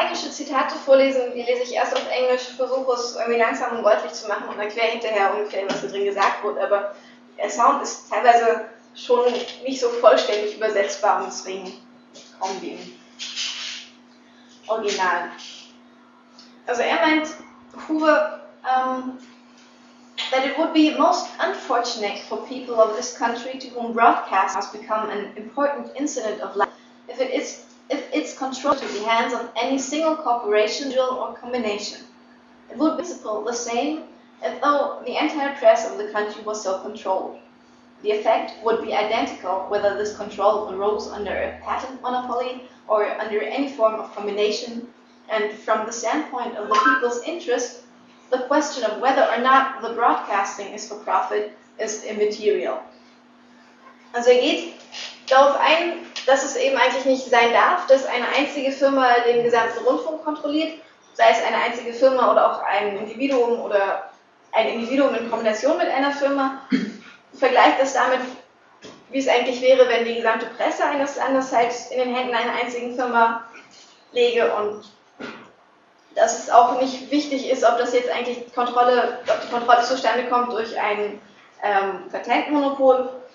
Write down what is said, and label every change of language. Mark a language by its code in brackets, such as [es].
[de] Zitate vorlesen, die lese ich erst auf Englisch, versuche es irgendwie langsam und deutlich zu machen und erkläre hinterher ungefähr, was da drin gesagt wurde, aber der Sound ist teilweise schon nicht so vollständig übersetzbar und deswegen kaum wie im Original. Also er meint, [en] Hoover, that it would be most unfortunate for people of this country to whom broadcast has become an important incident of life, if its control to the hands of any single corporation, individual, or combination. It would be principle the same as though the entire press of the country was so controlled. The effect would be identical whether this control arose under a patent monopoly or under any form of combination, and from the standpoint of the people's interest, the question of whether or not the broadcasting is for profit is immaterial. [de] Also er geht darauf ein, dass es eben eigentlich nicht sein darf, dass eine einzige Firma den gesamten Rundfunk kontrolliert, sei es eine einzige Firma oder auch ein Individuum in Kombination mit einer Firma. Vergleicht das damit, wie es eigentlich wäre, wenn die gesamte Presse eines Landes halt in den Händen einer einzigen Firma läge und dass es auch nicht wichtig ist, ob das jetzt eigentlich ob die Kontrolle zustande kommt durch ein Patentmonopol.